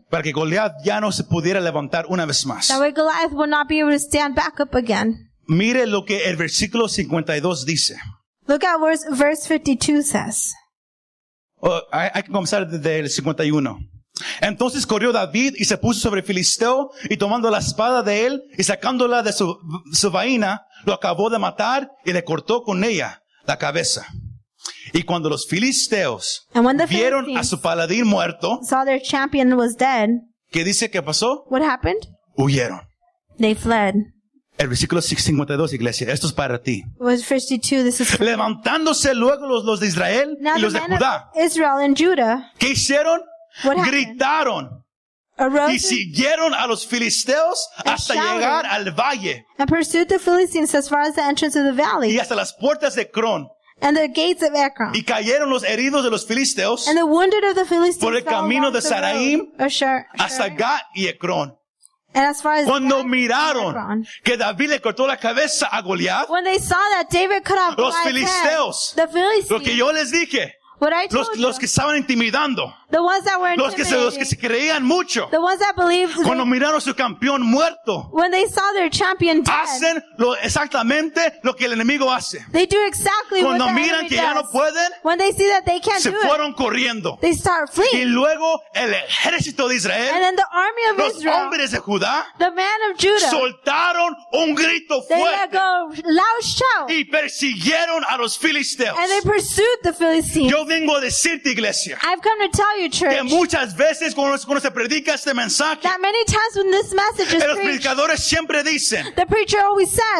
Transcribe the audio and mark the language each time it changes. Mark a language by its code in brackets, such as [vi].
[es] Para que Goliath ya no se pudiera levantar una vez más. [en] That way Goliath would not be able to stand back up again. [es] Mire lo que el versículo 52 dice. [en] Look at what verse 52 says. [es] Hay que comenzar desde el 51. Entonces corrió David y se puso sobre el filisteo y tomando la espada de él y sacándola de su vaina lo acabó de matar y le cortó con ella la cabeza. Y cuando los filisteos vieron a su paladín muerto, [en] saw their champion was dead, [es] ¿qué dice que pasó? [en] What happened? [es] Huyeron. [en] They fled. [es] El versículo 52, iglesia, esto es para ti. [en] Verse 52, this is for you. [es] Levantándose luego los de Israel [en] now [es] y los de Judá. [en] Israel and Judah, [es] ¿qué hicieron? [en] What [es] gritaron [en] arose [es] y siguieron a los filisteos hasta llegar al valle [en] and pursued the Philistines as far as the entrance of the valley [es] y hasta las puertas de Ekrón [en] and the gates of Ekrón [es] y cayeron los heridos de los filisteos [en] and the wounded of the Philistines [es] por el camino de Saraim hasta Gat y Ekrón [en] and as far as [es] cuando Gat miraron [en] Ekron, [es] que David le cortó la cabeza a Goliat [en] when they saw that David cut off [es] los filisteos [en] head, the Philistines [es] lo que yo les dije los que estaban intimidando. [en] The ones that were [es] intimidating. Los que se creían mucho. [en] The ones that believed. [es] Cuando miraron a su campeón muerto. [en] When they saw their champion dead. [es] Hacen exactamente lo que el enemigo hace. [en] They do exactly what the enemy does. [es] Cuando miran que ya no pueden. [en] When they see that they can't do it. [es] Se fueron corriendo. [en] They start fleeing. [es] Y luego el ejército de Israel. [en] And then the army of Israel. [es] Los hombres de Judá. [en] The men of Judah. [es] Soltaron un grito fuerte. [en] They let go loud shout. [es] Y persiguieron a los filisteos. [en] And they pursued the Philistines. [es] Yo vengo a decirte, iglesia. [en] I've come to tell you, church. [es] Que muchas veces cuando se predica este mensaje. [en] That many times when this message is [es] los predicadores [en] preached, [es] siempre dicen. [en] The preacher always says.